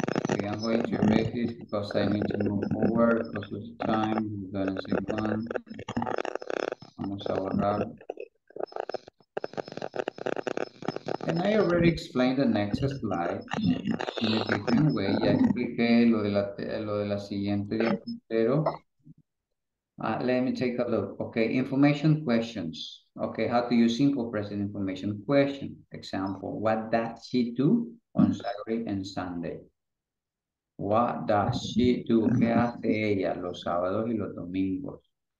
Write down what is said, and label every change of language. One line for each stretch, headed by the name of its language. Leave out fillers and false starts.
English: Okay, I'm going to read this because I need to move forward because of the time. We're going to see one.
Spanish: Vamos a borrar.
English: And I already explained the next slide in a different way.
Spanish: Ya expliqué lo de la siguiente pero
English: let me take a look. Okay, information questions. Okay, how to use simple present information question. Example, what does she do on Saturday and Sunday? What does she do?
Spanish: ¿Qué hace ella los sábados y los domingos?